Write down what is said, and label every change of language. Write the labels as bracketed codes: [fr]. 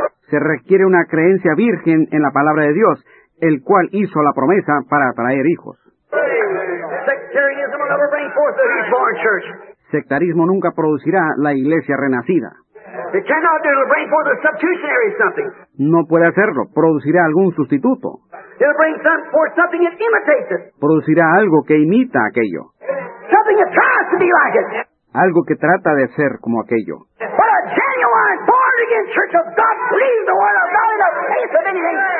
[es] Se requiere una creencia virgen en la palabra de Dios, el cual hizo la promesa para atraer hijos. [en] Sectarianism will never bring forth the reborn church. [es] Sectarismo nunca producirá la iglesia renacida. [en] It cannot do. It'll bring forth a substitutionary something. [es] No puede hacerlo. Producirá algún sustituto. [en] It'll bring forth something that imitates it. [es] Producirá algo que imita aquello. [en] Something that tries to be like it. [es] Algo que trata de ser como aquello. [en] But a genuine born again church of God believes the word of God in the face of anything.